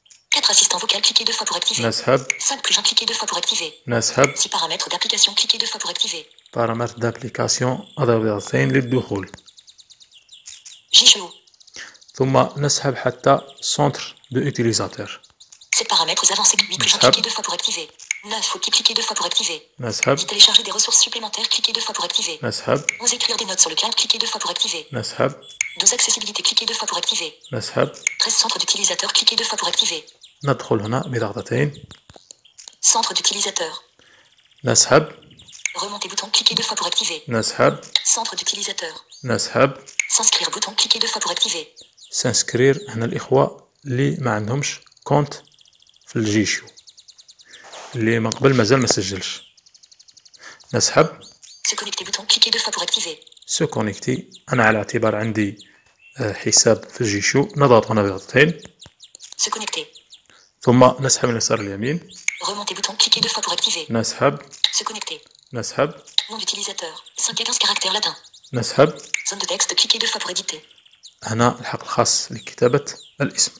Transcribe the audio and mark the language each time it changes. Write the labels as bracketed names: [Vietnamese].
[French] Quatre assistants vocaux, cliquez deux fois pour activer. [Arabic] نسحب. [French] Cinq plus un, cliquez deux fois pour activer. [Arabic] نسحب. [French] Six paramètres d'application, cliquez deux fois pour activer. Paramètres d'application, [Arabic] أضغط ضغطتين للدخول. Jishuyo. ثم نسحب حتى [French] centre de utilisateur. Sept paramètres avancés, huit plus un, cliquez deux fois pour activer. Neuf outils, cliquez deux fois pour activer. [Arabic] نسحب. [French] Y télécharger des ressources supplémentaires, cliquez deux fois pour activer. [Arabic] نسحب. [French] Onze écrire des notes sur le cloud, cliquez deux fois pour activer. [Arabic] نسحب. [French] Douze accessibilité, cliquez deux fois pour activer. [Arabic] نسحب. [French] Treize centre d'utilisateur, cliquez deux fois pour activer. [Arabic] ندخل هنا بضغطتين. [French] Centre d'utilisateur. [Arabic] نسحب. [French] Remonter bouton, cliquez deux fois pour activer. [Arabic] نسحب. [French] Centre d'utilisateur. [Arabic] نسحب. [French] S'inscrire bouton, cliquez deux fois pour activer. [Arabic] S'inscrire هنا الإخوة اللي ما عندهمش كونت في الجيشو. اللي من قبل مازال ما سجلش. نسحب. [French] Se connecter bouton, cliquez deux fois pour activer. Se connecter. [Arabic] أنا على اعتبار عندي حساب في الجيشو. نضغط هنا بضغطتين. [French] Se connecter. [Arabic] ثم نسحب من اليسار اليمين. [French] Remonter bouton, cliquez deux fois pour activer. [Arabic] نسحب. [French] Se connecter. [Arabic] نسحب. [French] Nom d'utilisateur. 5-15 caractères latins. [Arabic] نسحب. [French] Zone de texte, cliquez deux fois pour éditer. [Arabic] هنا الحق الخاص لكتابة الاسم.